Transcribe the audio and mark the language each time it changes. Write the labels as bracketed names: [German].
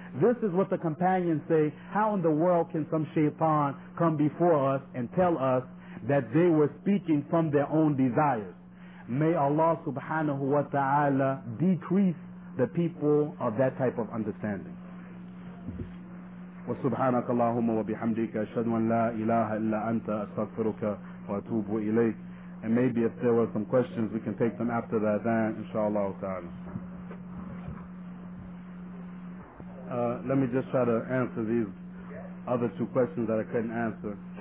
[English] This is what the companions say. How in the world can some shaitan come before us and tell us that they were speaking from their own desires? May Allah subhanahu wa ta'ala decrease the people of that type of understanding. [Arabic] وسبحانك اللهم وبحمدك أشهد أن لا إله إلا أنت أستغفرك وأتوب إليك. [English] And maybe if there were some questions, we can take them after the adhan, inshallah ta'ala. Let me just try to answer these other two questions that I couldn't answer.